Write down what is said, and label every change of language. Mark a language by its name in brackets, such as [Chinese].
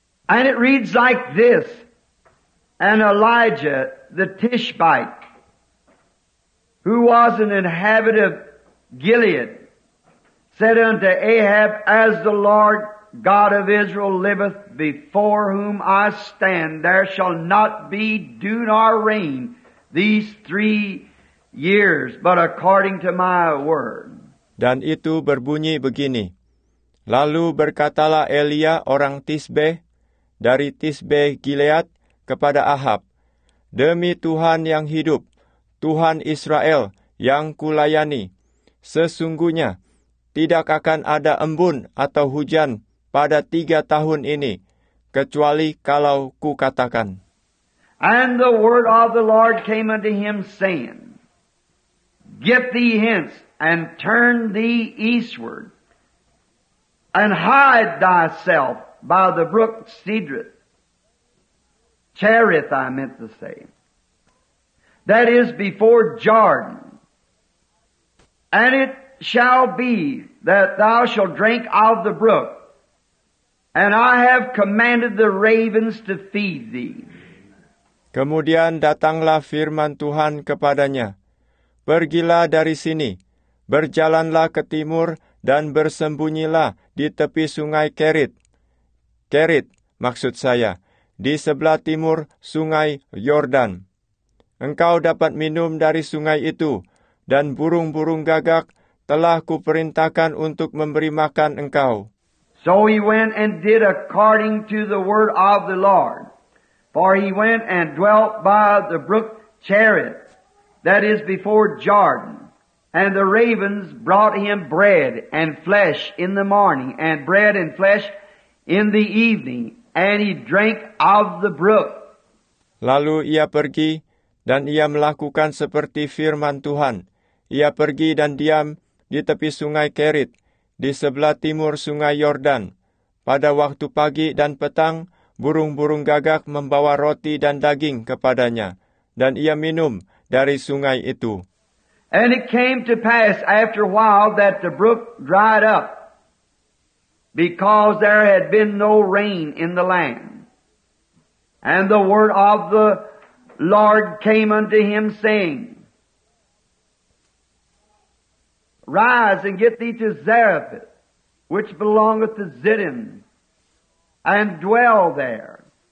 [English] And it reads like this, and Elijah the Tishbite, who was an inhabitant of Gilead, said unto Ahab, as the Lord God of Israel liveth, before whom I stand, there shall not be dew nor rain these 3 years, but according to my word. [Indonesian] Dan itu berbunyi begini. Lalu berkatalah Elia orang Tisbe, dari Tisbe Gilead, kepada Ahab, demi Tuhan yang hidup, Tuhan Israel yang kulayani, sesungguhnya tidak akan ada embun atau hujan pada 3 tahun ini, kecuali kalau kukatakan. [English] And the word of the Lord came unto him, saying, get thee hence, and turn thee eastward, and hide thyself by the brook Cedrith. Cherith, I meant to say. That is before Jordan. And it shall be that thou shalt drink of the brook, and I have commanded the ravens to feed thee. [Indonesian] Kemudian datanglah firman Tuhan kepadanya, pergilah dari sini, berjalanlah ke timur, dan bersembunyilah di tepi sungai Kerit. Kerit, maksud saya, di sebelah timur sungai Yordan. Engkau dapat minum dari sungai itu, dan burung-burung gagak telah kuperintahkan untuk memberi makan engkau. [English] So he went and did according to the word of the Lord. For he went and dwelt by the brook Cherith, that is before Jordan. And the ravens brought him bread and flesh in the morning, and bread and flesh in the evening, and he drank of the brook. [Indonesian] Lalu ia pergi, dan ia melakukan seperti firman Tuhan. Ia pergi dan diam di tepi sungai Kerit, di sebelah timur sungai Yordan. Pada waktu pagi dan petang, burung-burung gagak membawa roti dan daging kepadanya, dan ia minum dari sungai itu. [English] And it came to pass after a while that the brook dried up, because there had been no rain in the land. And the word of the Lord came unto him, saying, rise and get thee to Zarephath, which belongeth to Zidon, and dwell there.